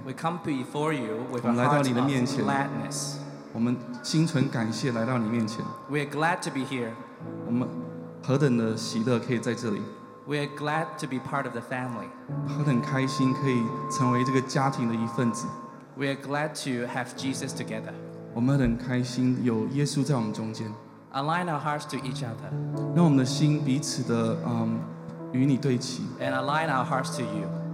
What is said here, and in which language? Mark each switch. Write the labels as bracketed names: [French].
[English] we come before you with a heart of gladness. [Chinese] 我们心存感谢来到你面前。 [English] We are glad to be here. [Chinese] 我们何等的喜乐可以在这里。 [English] We are glad to be part of the family. [Chinese] 何等开心可以成为这个家庭的一份子。 [English] We are glad to have Jesus together. [Chinese] 我们很开心有耶稣在我们中间。 [English] Align our hearts to each other. [Chinese] 让我们的心彼此的与你对齐。 [English] And align our hearts to you.